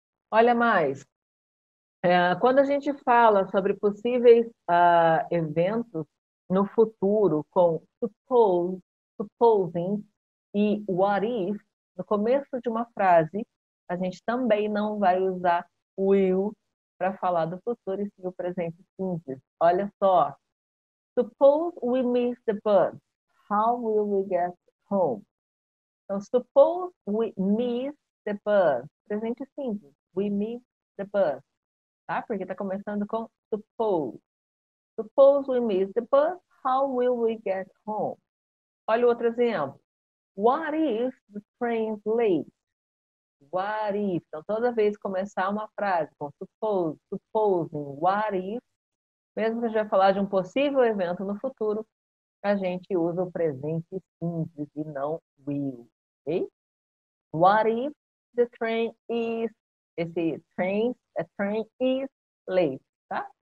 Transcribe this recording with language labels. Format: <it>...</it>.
<pt>Olha mais, quando a gente fala sobre possíveis eventos no futuro com supposing e what if, no começo de uma frase, a gente também não vai usar will para falar do futuro e sim o presente simples. Olha só,</pt> <en>suppose we miss the bus, how will we get home?</en> <pt>Então,</pt> <en>suppose we miss the bus,</en> <pt>presente simples.</pt> <en>We miss the bus,</en> <pt>tá? Porque tá começando com suppose.</pt> <en>Suppose we miss the bus, how will we get home?</en> <pt>Olha outro exemplo.</pt> <en>What if the train's late? What if?</en> <pt>Então, toda vez que começar uma frase com suppose, supposing, what if, mesmo que a gente vai falar de um possível evento no futuro, a gente usa o presente simples e não will, ok?</pt> <en>What if the train is</en> <pt>Esse</pt> <en>train, a train is late, tá?</en>